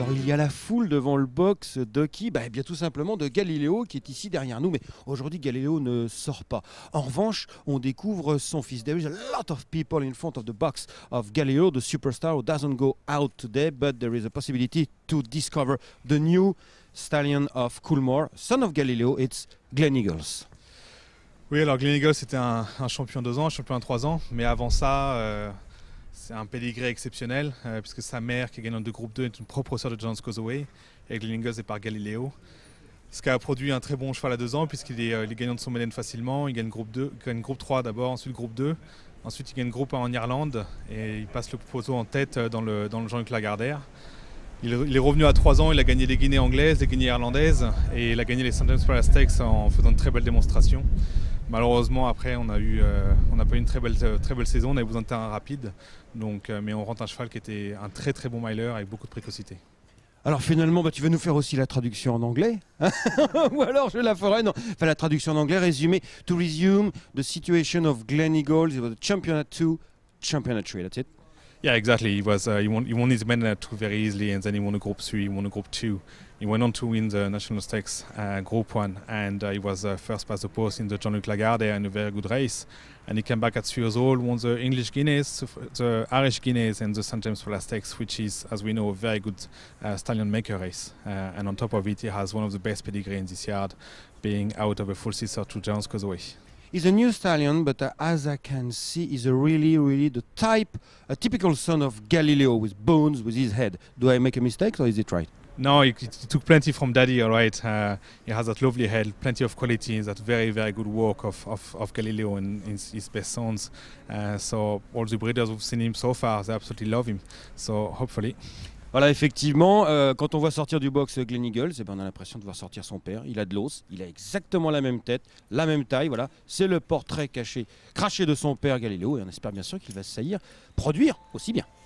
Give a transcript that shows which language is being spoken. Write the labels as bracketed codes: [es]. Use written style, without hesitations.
[fr] a la foule devant le box de qui ? Bah, eh bien, tout simplement de Galiléo qui est ici derrière nous. Mais aujourd'hui, Galiléo ne sort pas. En revanche, on découvre son fils. [en] There is a lot of people in front of the box of Galiléo, the superstar who doesn't go out today, but there is a possibility to discover the new stallion of Coolmore, son of Galiléo. It's Glenn Eagles. [fr] Oui, alors Glenn Eagles était un champion 2 ans, un champion 3 ans, mais avant ça, c'est un pédigré exceptionnel, puisque sa mère, qui est gagnante de groupe 2, est une propre sœur de John's Causeway, et Glenn Eagles est par Galiléo, ce qui a produit un très bon cheval à 2 ans, puisqu'il est gagnant de son Médène facilement, il gagne groupe 2, il gagne groupe 3 d'abord, ensuite groupe 2, ensuite il gagne groupe 1 en Irlande, et il passe le poteau en tête dans le Jean-Luc Lagardère. Il est revenu à 3 ans, il a gagné les Guinées anglaises, les Guinées irlandaises, et il a gagné les St. James Palace Stakes en faisant de très belles démonstrations. Malheureusement, après, on n'a pas eu une très belle saison, on avait besoin de terrain rapide. Mais on rentre un cheval qui était un très très bon miler avec beaucoup de précocité. Alors finalement, bah, tu veux nous faire aussi la traduction en anglais ou alors je la ferai, non. Enfin, la traduction en anglais, résumé. [en] To resume the situation of Glenn Eagles, it was a champion at 2, champion at 3, that's it. Yeah, exactly. He won his men at 2 very easily, and then he won a group 3, he won a group 2. He went on to win the National Stakes Group 1, and he was first past the post in the Jean-Luc Lagardère in a very good race. And he came back at 3 years old, won the English Guineas, the Irish Guineas, and the St. James Palace Stakes, which is, as we know, a very good stallion maker race. And on top of it, he has one of the best pedigree in this yard, being out of a full sister to John's Causeway. He's a new stallion, but as I can see, he's a really, really the type, a typical son of Galiléo with bones, with his head. Do I make a mistake or is it right? No, he took plenty from daddy, all right. He has that lovely head, plenty of quality, that very, very good work of Galiléo and his best sons. So all the breeders who've seen him so far, they absolutely love him. So hopefully. [fr] Voilà, effectivement, quand on voit sortir du box Glenn Eagles, eh ben, on a l'impression de voir sortir son père. Il a de l'os, il a exactement la même tête, la même taille. Voilà, c'est le portrait craché de son père Galiléo. Et on espère bien sûr qu'il va saillir produire aussi bien.